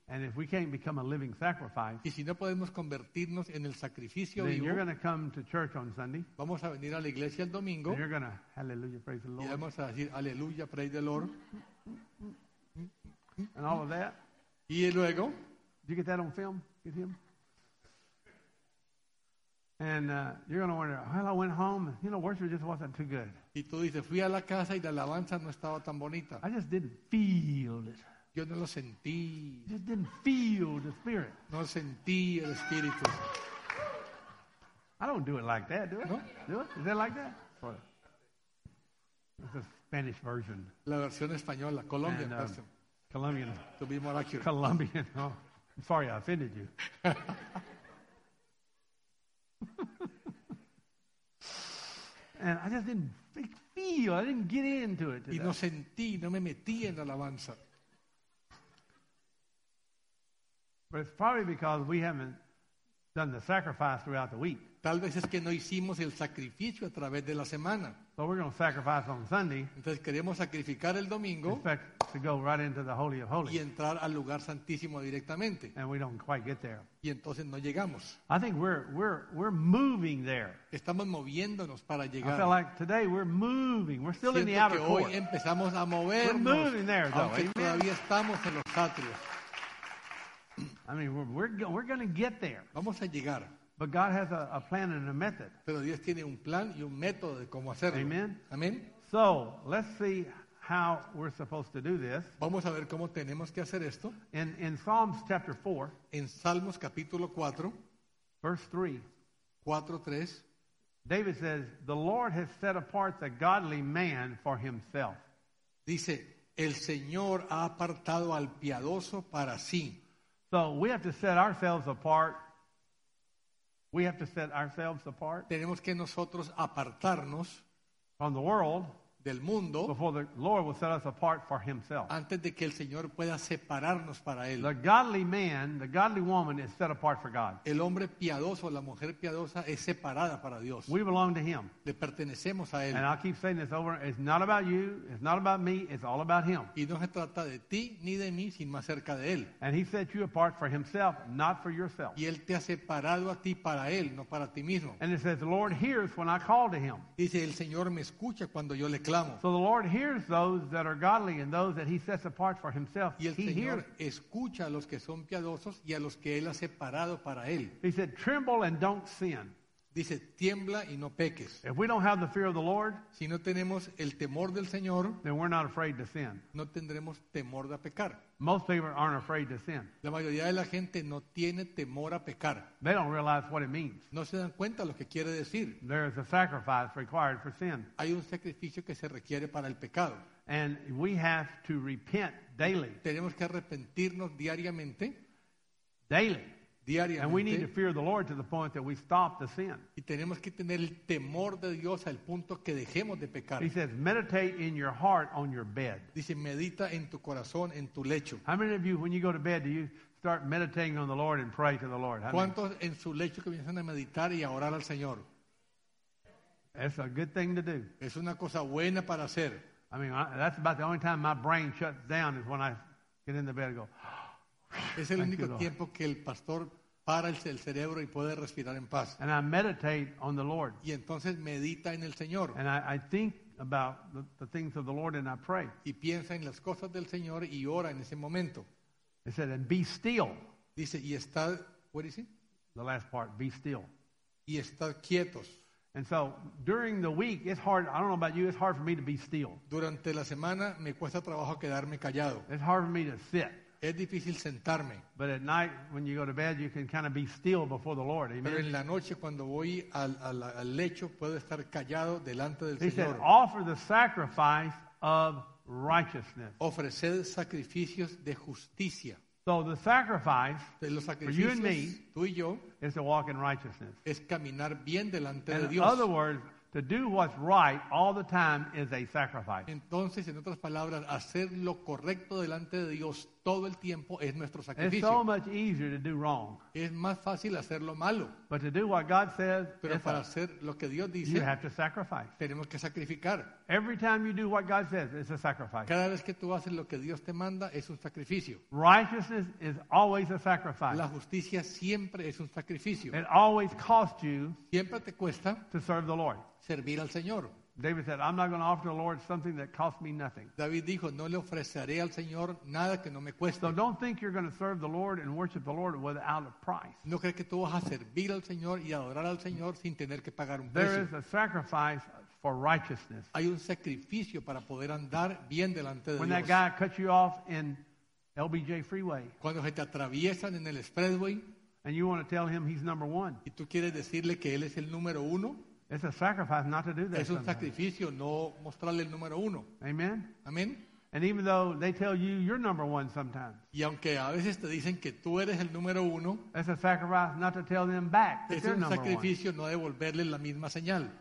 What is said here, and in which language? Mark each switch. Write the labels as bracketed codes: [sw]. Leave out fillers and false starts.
[en] And if we can't become a living sacrifice, [es] y si no podemos convertirnos en el sacrificio [en] then [es] vivo, [en] you're going to come to church on Sunday. [es] Vamos a venir a la iglesia el domingo. [en] And you're going to hallelujah, praise the Lord. [es] Y vamos a decir aleluya, [en] praise the Lord. And all of that. [es] Y luego, [en] did you get that on film? Get him. And you're going to wonder, well, I went home. You know, worship just wasn't too good. [es] Y tú dices, fui a la casa y la alabanza no estaba tan bonita. [en] I just didn't feel it. [es] Yo no lo sentí. [en] I just didn't feel the spirit. [es] No sentí el espíritu. [en] I don't do it like that, do I? No. Do it? Is it like that? For, it's a Spanish version. [es] La versión española, Colombian [en] and, version. Colombian. To be more accurate. Colombian. Oh, I'm sorry I offended you. And I just didn't feel, I didn't get into it. [es] Y no sentí, no me metí en la alabanza. [en] But it's probably because we haven't done the sacrifice throughout the week. [es] Tal vez es que no hicimos el sacrificio a través de la semana. [en] So we're going to sacrifice on Sunday. [es] Entonces queremos sacrificar el domingo. [en] In fact, to go right into the Holy of Holies. [es] Y entrar al lugar santísimo directamente. [en] And we don't quite get there. [es] Y entonces no llegamos. [en] I think we're moving there. [es] Estamos moviéndonos para llegar. [en] I feel like today we're moving. We're still [es] siento [en] in the outer [es] que hoy [en] court. [es] Empezamos a movernos. [en] We're moving there, though. [es] Aunque todavía estamos en los atrios. [en] I mean, we're going to get there. [es] Vamos a llegar. [en] But God has a plan and a method. [es] Pero Dios tiene un plan y un método de cómo hacerlo. [en] Amen. Amen. So, let's see how we're supposed to do this. [es] Vamos a ver cómo tenemos que hacer esto. [en] In Psalms chapter 4. [es] En Salmos capítulo 4. [en] Verse 3. [es] 4:3. [en] David says, "The Lord has set apart the godly man for himself." [es] Dice, "El Señor ha apartado al piadoso para sí." [en] So we have to set ourselves apart. We have to set ourselves apart. [es] Tenemos que nosotros apartarnos [en] from the world [es] del mundo [en] before the Lord will set us apart for himself. [es] Antes de que el Señor pueda separarnos para él. [en] The godly man, the godly woman is set apart for God. [es] El hombre piadoso, la mujer piadosa es separada para Dios. [en] We belong to him. [es] Le pertenecemos a él. [en] And I'll keep saying this over, it's not about you, it's not about me, it's all about him. [es] Y no se trata de ti ni de mí, sino acerca de él. [en] And he set you apart for himself, not for yourself. [es] Y él te ha separado a ti para él, no para ti mismo. [en] And it says, the Lord hears when I call to him. [es] Dice, el Señor me escucha cuando yo le clamo. [en] So the Lord hears those that are godly and those that he sets apart for himself. [es] Y el [en] he [es] Señor [en] hears. [es] Escucha a los que son piadosos y a los que él ha separado para él. [en] He said, tremble and don't sin. [es] Dice, tiembla y no peques. [en] If we don't have the fear of the Lord, [es] si no tenemos el temor del Señor, [en] then we're not afraid to sin. [es] No tendremos temor de pecar. [en] Most people aren't afraid to sin. [es] La mayoría de la gente no tiene temor a pecar. [en] They don't realize what it means. [es] No se dan cuenta lo que quiere decir. [en] There is a sacrifice required for sin. [es] Hay un sacrificio que se requiere para el pecado. [en] And we have to repent daily. [es] Tenemos que arrepentirnos diariamente. [en] Daily. [es] diariamente. [en] And we need to fear the Lord to the point that we stop the sin. [es] Y tenemos que tener el temor de Dios al punto que dejemos de pecar. [en] He says, meditate in your heart on your bed. [es] Dice, medita en tu corazón, en tu lecho. [en] How many of you, when you go to bed, do you start meditating on the Lord and pray to the Lord? [es] ¿Cuántos en su lecho comienzan a meditar y a orar al Señor? [en] That's a good thing to do. [es] Es una cosa buena para hacer. [en] I mean, that's about the only time my brain shuts down is when I get in the bed and go, [es] es el único tiempo que el pastor para el cerebro y puede respirar en paz. [en] And I meditate on the Lord. [es] Y entonces medita en el Señor. [en] And I think about the things of the Lord and I pray. [es] Y piensa en las cosas del Señor y ora en ese momento. [en] It said, and be still. [es] Dice, y estad, [en] what is it? The last part, be still. [es] Y estad quietos. [en] And so during the week, it's hard. I don't know about you, it's hard for me to be still. [es] Durante la semana, me cuesta trabajo quedarme callado. [en] It's hard for me to sit. [es] Es difícil sentarme. [en] But at night, when you go to bed, you can kind of be still before the Lord. Amen. [es] Pero en la noche, cuando voy al lecho, puedo estar callado delante del Señor. [en] He said, offer the sacrifice of righteousness. [es] Ofrecer sacrificios de justicia. [en] So the sacrifice for you and me, [es] tú y yo, [en] is to walk in righteousness. [es] Es caminar bien delante de [en] Dios. In other words, to do what's right all the time is a sacrifice. [es] Entonces, en otras palabras, hacer lo correcto delante de Dios todo el tiempo es nuestro sacrificio. [en] It's so much easier to do wrong. [es] Es más fácil hacerlo malo. [en] But to do what God says, [es] pero para hacer lo que Dios dice, [en] you have to sacrifice. [es] Tenemos que sacrificar. [en] Every time you do what God says, it's a sacrifice. [es] Cada vez que tú haces lo que Dios te manda, es un sacrificio. [en] Righteousness is always a sacrifice. [es] La justicia siempre es un sacrificio. [en] It always costs you, [es] siempre te cuesta, [en] to serve the Lord. [es] Servir al Señor. [en] David said, I'm not going to offer the Lord something that costs me nothing. [es] David dijo, no le ofreceré al Señor nada que no me cueste. [en] So don't think you're going to serve the Lord and worship the Lord without a price. [es] No crees que tú vas a servir al Señor y adorar al Señor sin tener que pagar un precio. [en] There is a sacrifice for righteousness. [es] Hay un sacrificio para poder andar bien delante de Dios. [en] When that guy cuts you off in LBJ Freeway. [es] Cuando se te atraviesan en el expressway. [en] And you want to tell him he's number one. [es] Y tú quieres decirle que él es el número uno. [en] It's a sacrifice not to do that. [es] Es un sacrificio no mostrarle el número uno. [en] Amen. Amen. And even though they tell you you're number one sometimes. [es] Y aunque a veces te dicen que tú eres el número uno. [en] It's a sacrifice not to tell them back that they're number one. [es] Es un sacrificio no devolverle la misma señal.